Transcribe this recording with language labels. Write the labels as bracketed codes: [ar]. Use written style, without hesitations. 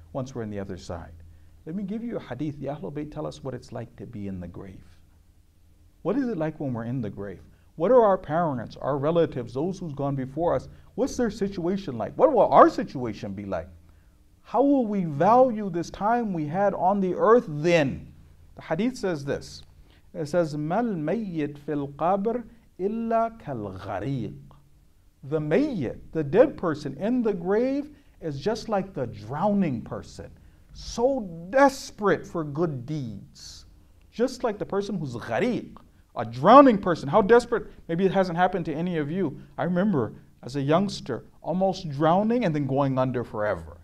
[en] Once we're on the other side. Let me give you a hadith. The Ahlul Bayt tell us what it's like to be in the grave. What is it like when we're in the grave? What are our parents, our relatives, those who's gone before us, what's their situation like? What will our situation be like? How will we value this time we had on the earth then? The hadith says this. It says, [ar] مَلْ مَيِّتْ فِي الْقَبْرِ إِلَّا كَالْغَرِيقِ. [en] The mayyit, the dead person in the grave, is just like the drowning person, so desperate for good deeds. Just like the person who's ghariq, a drowning person. How desperate, maybe it hasn't happened to any of you. I remember as a youngster, almost drowning and then going under forever.